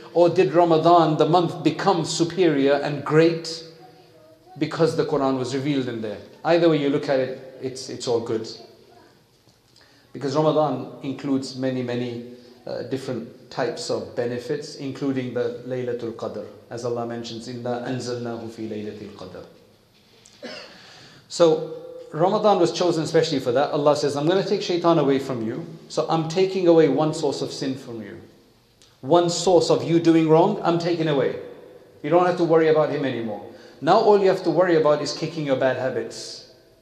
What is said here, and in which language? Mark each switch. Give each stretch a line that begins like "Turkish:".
English: Or did Ramadan, the month, become superior and great because the Quran was revealed in there? Either way you look at it, it's all good. Because Ramadan includes many, many different types of benefits, including the Laylatul Qadr. As Allah mentions,
Arabic: إِنَّا أَنزَلْنَاهُ فِي لَيْلَةِ الْقَدْرِ.
English: So, Ramadan was chosen especially for that. Allah says, I'm going to take shaitan away from you. So I'm taking away one source of sin from you. One source of you doing wrong, I'm taking away. You don't have to worry about him anymore. Now all you have to worry about is kicking your bad habits.